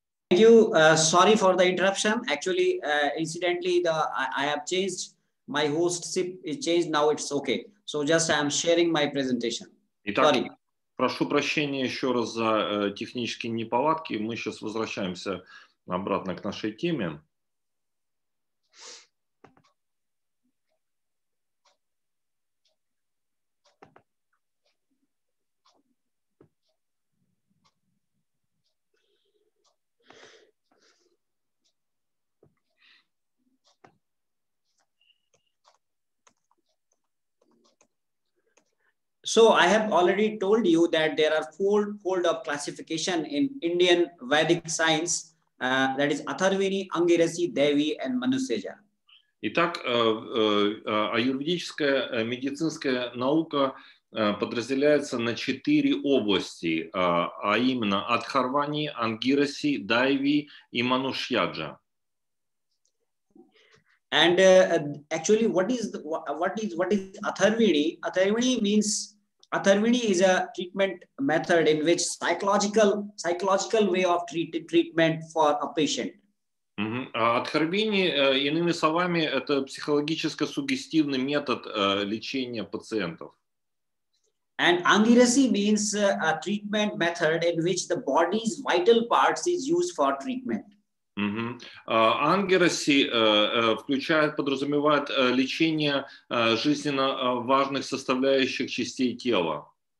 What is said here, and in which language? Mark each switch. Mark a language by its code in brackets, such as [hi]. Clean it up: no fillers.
[en] Thank you. Sorry for the interruption. Actually, incidentally, I have changed my hostship. It changed. Now it's okay. So just I am sharing my presentation. [ru] Итак, [en] sorry. [ru] Прошу прощения еще раз за технические неполадки. Мы сейчас возвращаемся обратно к нашей теме. [en] So I have already told you that there are fold of classification in Indian Vedic science, that is Atharvini, Angirasi, Devi, and Manusheja. [ru] Итак, аюрведическая медицинская наука подразделяется на четыре области, а именно Атхарвани, Ангираси, Дайви и Манушьяджа. [en] And actually, what is Atharvini? Atharvini means Atharvini is a treatment method in which psychological way of treatment for a patient. [ru] Атхарвини, иными словами, это психологически суггестивный метод лечения пациентов. [en] And Ангираси means a treatment method in which the body's vital parts is used for treatment. [ru] Ангираси подразумевает лечение жизненно важных составляющих частей тела.